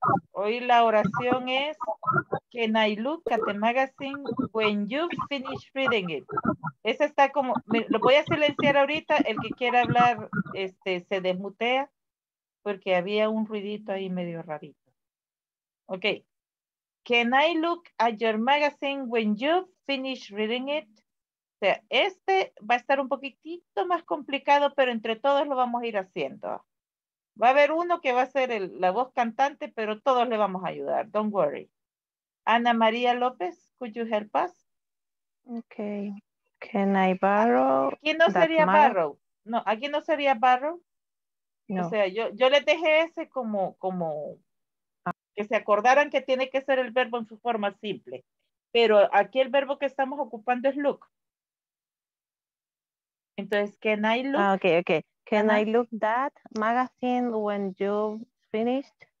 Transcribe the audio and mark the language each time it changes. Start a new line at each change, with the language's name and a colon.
Spanish: Hoy la oración es,
English: can I look at the magazine when you finish reading it?
Spanish: Ese está como, lo voy a silenciar ahorita, el que quiera hablar este, se desmutea, porque había un ruidito ahí medio rarito.
English: Ok. Can I look at your magazine when you finish reading it?
Spanish: O sea, este va a estar un poquitito más complicado, pero entre todos lo vamos a ir haciendo. Va a haber uno que va a ser la voz cantante, pero todos le vamos a ayudar.
English: Don't worry. Ana María López, could you help us? Okay. Can I borrow?
Spanish: ¿Quién no sería borrow? No, aquí no sería borrow. No. O sea, yo le dejé ese como que se acordaran que tiene que ser el verbo en su forma simple. Pero aquí el verbo que estamos ocupando es look. Entonces,
English: can I look? Ah, okay, okay. Can I look that magazine when you finished